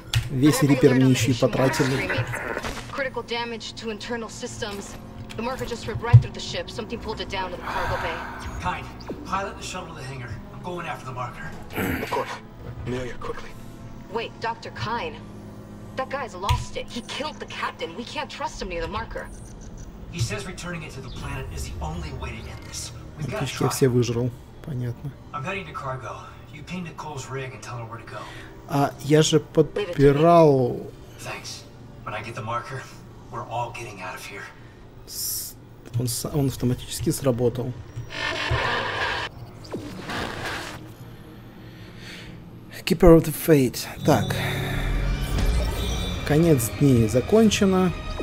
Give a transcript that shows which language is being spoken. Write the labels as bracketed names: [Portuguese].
[Russian] Весь рипер мне еще и потратили. [English] Critical damage to internal systems. The marker just ripped right through the ship. Something pulled it down to the cargo bay. Kind, pilot the shuttle to the hangar. I'm going after the marker. Wait, Dr. Kine. That guy's lost it. He killed the captain. We can't trust him near the marker. He says returning it to the planet is the only way to get this. We've got to try. [Russian] Понятно. [English] I'm heading to cargo. You ping Nicole's rig and tell her where to go. А я же подбирал. Thanks. When I get the marker, we're all getting out of here. [Russian] Он автоматически сработал. [English] Keeper of the Fate. [Russian] Так. Конец дней закончено.